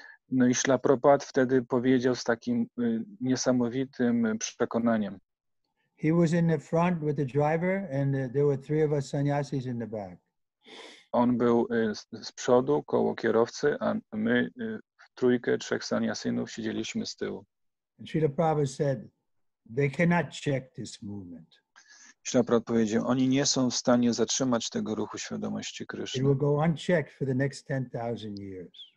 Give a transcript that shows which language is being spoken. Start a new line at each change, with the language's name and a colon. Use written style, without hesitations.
Polish: No i Śla Prabhupada wtedy powiedział z takim niesamowitym przekonaniem.
English: He was in the front with the driver and there were three of us sannyasis in the back.
Polish: On był z przodu, koło kierowcy, a my w trójkę, trzech sannyasinów siedzieliśmy z tyłu.
English: And Srila Prabhupada said, they cannot check this movement.
Polish: Srila Prabhupada powiedział, oni nie są w stanie zatrzymać tego ruchu świadomości Kryszny.
English: It will go unchecked for the next 10,000 years.